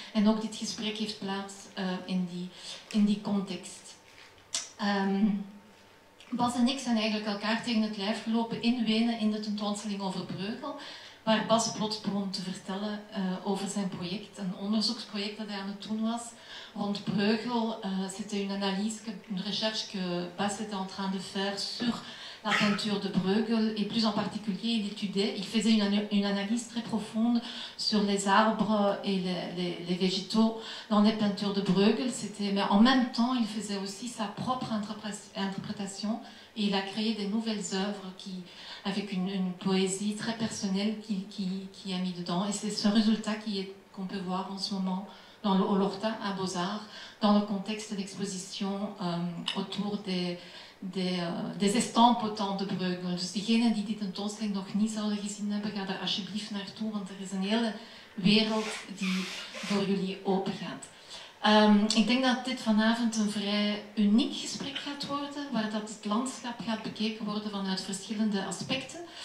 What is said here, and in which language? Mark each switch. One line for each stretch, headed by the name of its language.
Dutch: En ook dit gesprek heeft plaats in die context. Bas en ik zijn eigenlijk elkaar tegen het lijf gelopen in Wenen in de tentoonstelling over Breugel, waar Bas plots begon te vertellen over zijn project, een onderzoeksproject dat hij aan het doen was rond Breugel.
French: C'était une analyse, une recherche que Bas était en train de faire sur la peinture de Breugel, et plus en particulier, il faisait une analyse très profonde sur les arbres et les végétaux dans les peintures de Breugel. Mais en même temps, il faisait aussi sa propre interprétation et il a créé des nouvelles œuvres avec une poésie très personnelle qui a mis dedans. Et c'est ce résultat qu'on peut voir en ce moment dans l'Horta, à Beaux-Arts, dans le contexte d'exposition autour des estampes au temps de Breugel.
Dutch: Dus diegenen die dit tentoonstelling nog niet zouden gezien hebben, ga daar alsjeblieft naartoe, want er is een hele wereld die voor jullie opengaat. Ik denk dat dit vanavond een vrij uniek gesprek gaat worden, waar dat het landschap gaat bekeken worden vanuit verschillende aspecten.